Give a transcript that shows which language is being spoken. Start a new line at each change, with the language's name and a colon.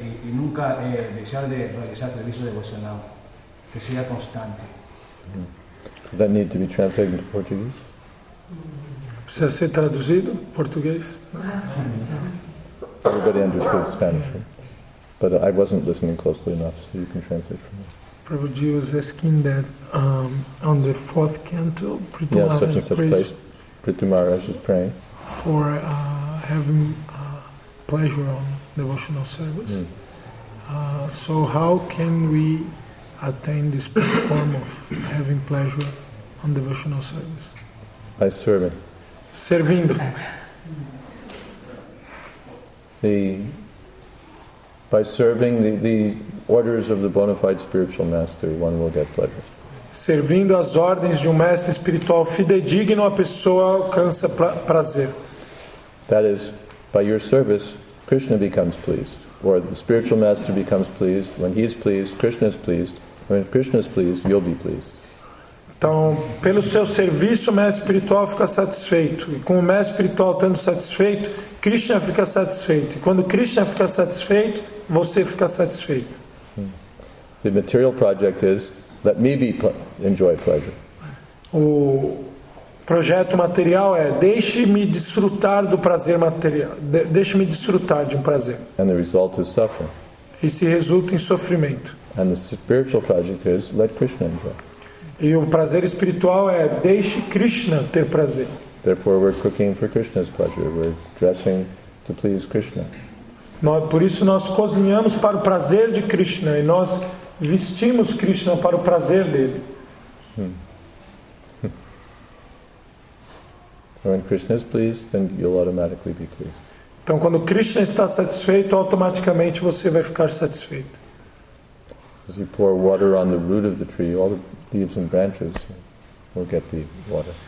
Portuguese: E nunca deixar de realizar serviço devocional, que seja constante?
English: Does that need to be translated into Portuguese?
Portuguese: Precisa ser traduzido português.
English: Everybody understood Spanish, but I wasn't listening closely enough, so you can translate for me. Prabhuji was asking that on the fourth canto, Prithu Maharaj prays. Yes, such and such place. Prithu Maharaj is praying for having pleasure on devotional service. Mm. So how can we attain this platform of having pleasure on devotional service? By serving.
Portuguese: Servindo.
English: By serving the orders of the bona fide spiritual master, one will get pleasure.
Portuguese: Servindo as ordens de mestre espiritual fidedigno, a pessoa alcança prazer.
English: That is, by your service, Krishna becomes pleased, or the spiritual master becomes pleased. When he is pleased, Krishna is pleased. When Krishna is pleased, you'll be pleased.
Portuguese: Então, pelo seu serviço, o mestre espiritual fica satisfeito. E com o mestre espiritual estando satisfeito, Krishna fica satisfeito. E quando Krishna fica satisfeito, você fica satisfeito.
English: The material project is, let me enjoy pleasure.
Portuguese: O projeto material é deixe-me desfrutar do prazer material, deixe-me desfrutar de um prazer.
English: And the result is suffering.
Portuguese: E se resulta em sofrimento.
English: And the spiritual project is let Krishna enjoy.
Portuguese: E o prazer espiritual é deixe Krishna ter prazer.
English: Therefore, we're cooking for Krishna's pleasure. We're dressing to please Krishna.
Portuguese: Nós, por isso, nós cozinhamos para o prazer de Krishna e nós vestimos Krishna para o prazer dele.
English: When Krishna is pleased, then you'll automatically be pleased.
Portuguese: Então, quando Krishna está satisfeito, automaticamente você vai ficar satisfeito.
English: As you pour water on the root of the tree, all the leaves and branches will get the water.